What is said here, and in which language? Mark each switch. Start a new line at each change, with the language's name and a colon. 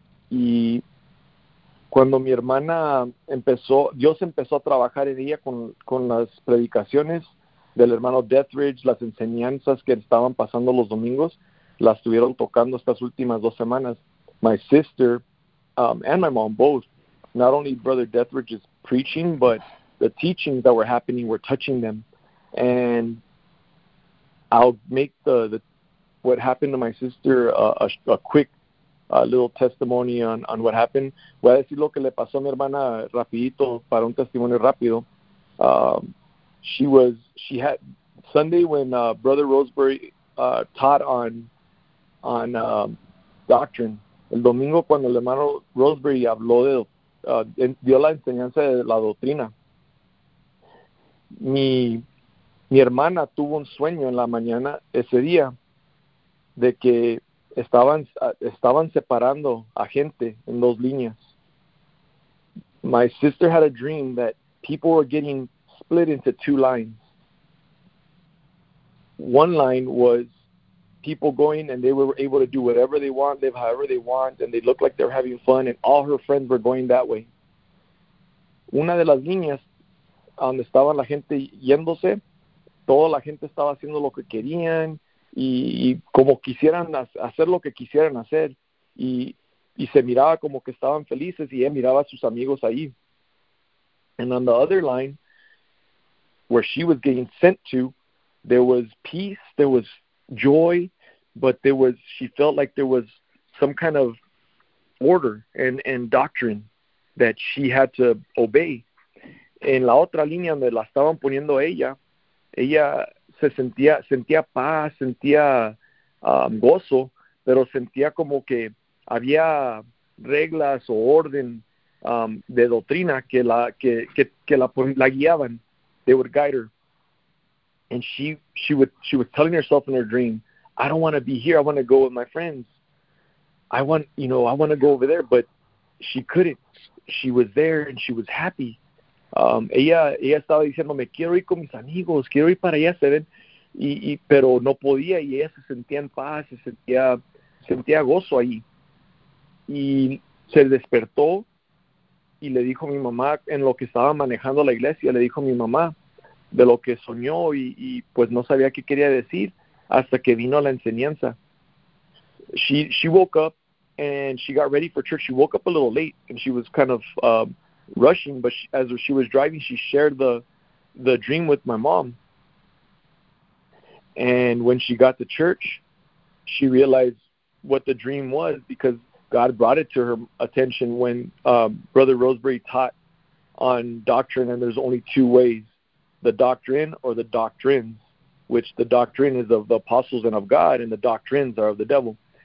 Spanish: Y cuando mi hermana Dios empezó a trabajar en ella con las predicaciones del hermano Deathridge, las enseñanzas que estaban pasando los domingos, la estuvieron tocando estas últimas dos semanas.
English: My sister and my mom both, not only Brother Deathridge's preaching, but the teachings that were happening were touching them. And I'll make the what happened to my sister a quick little testimony on what happened.
Spanish: Voy a decir lo que le pasó a mi hermana rapidito para un testimonio rápido.
English: She had Sunday when Brother Roseberry taught on doctrine.
Spanish: El domingo cuando el hermano Roseberry habló dio la enseñanza de la doctrina. Mi hermana tuvo un sueño en la mañana ese día de que estaban separando a gente en dos líneas.
English: My sister had a dream that people were getting split into two lines. One line was people going, and they were able to do whatever they want, live however they want, and they looked like they're having fun, and all her friends were going that way.
Spanish: Una de las líneas donde estaba la gente yéndose, toda la gente estaba haciendo lo que querían y como quisieran hacer lo que quisieran hacer, y se miraba como que estaban felices, y él miraba a sus amigos ahí.
English: And on the other line, where she was getting sent to, there was peace, there was joy, but she felt like there was some kind of order and doctrine that she had to obey.
Spanish: En la otra línea donde la estaban poniendo ella se sentía paz, sentía gozo, pero sentía como que había reglas o orden de doctrina que la guiaban.
English: They would guide her. And she was telling herself in her dream, I don't want to be here. I want to go with my friends. I want to go over there. But she couldn't. She was there and she was happy.
Spanish: Ella estaba diciendo, me quiero ir con mis amigos, quiero ir para allá, se ven, pero no podía, y ella se sentía en paz, se sentía gozo ahí. Y se despertó y le dijo a mi mamá, en lo que estaba manejando la iglesia, le dijo a mi mamá de lo que soñó, y pues no sabía qué quería decir hasta que vino la enseñanza.
English: She woke up and she got ready for church. She woke up a little late and she was kind of rushing, but as she was driving, she shared the dream with my mom. And when she got to church, she realized what the dream was because God brought it to her attention when Brother Rosemary taught on doctrine, and there's only two ways, the doctrine or the doctrines, which the doctrine is of the apostles and of God, and the doctrines are of the devil.